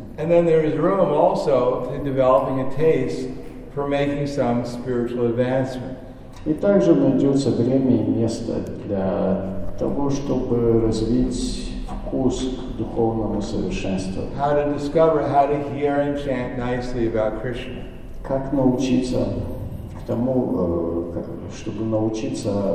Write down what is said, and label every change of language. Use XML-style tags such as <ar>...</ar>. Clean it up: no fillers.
<en>And then there is room also to developing a taste for making some spiritual advancement.</en> <ru>И также найдется время и место для того, чтобы развить вкус к духовному совершенству.</ru> <en>How to discover how to hear and chant nicely about Krishna.</en> <ru>Как научиться к тому, чтобы научиться</ru>